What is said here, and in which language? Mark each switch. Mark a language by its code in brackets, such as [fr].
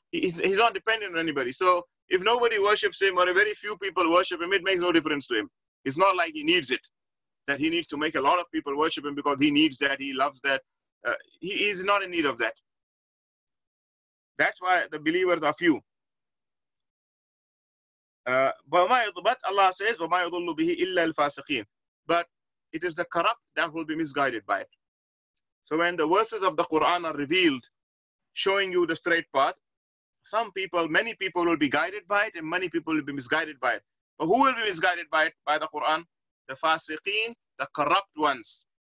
[en] He's not dependent on anybody. So if nobody worships Him, or a very few people worship Him, it makes no difference to Him. It's not like He needs it, that He needs to make a lot of people worship Him because He needs that, He loves that. He is not in need of that. That's why the believers are few. But Allah says, [ar] وَمَا يُضُلُّ بِهِ إِلَّا الْفَاسِقِينَ. [en] But it is the corrupt that will be misguided by it. So when the verses of the Quran are revealed, showing you the straight path, many people will be guided by it, and many people will be misguided by it. But who will be misguided by it? By the Quran? The fasiqeen, the corrupt ones.